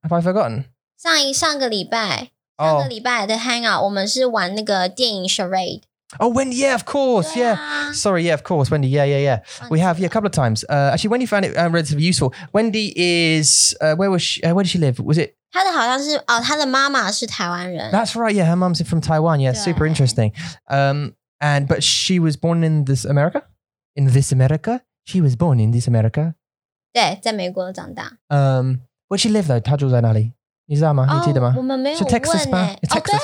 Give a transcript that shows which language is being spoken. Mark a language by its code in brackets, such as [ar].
[en] Have I forgotten? [zh] 上个礼拜.Oh. 上个礼拜的 hangout, 我们是玩那个电影 charade. [en] Oh, Wendy, yeah, of course, yeah. Sorry, yeah, of course, Wendy, yeah, yeah, yeah. We have, yeah, a couple of times. Actually, Wendy found it relatively useful. Wendy is, where was she, where did she live? Was it? [zh] 她的好像是, 她的妈妈是台湾人. [en] That's right, yeah, her mom's from Taiwan, yeah, super interesting. And, but she was born in this America? In this America? She was born in this America. [zh] 对,在美国长大. [en] Where'd she live though? [zh] 她住在哪里?你知道吗?你记得吗? 我们没有问耶。 [en] So Texas, [zh] ma? [en] It's Texas,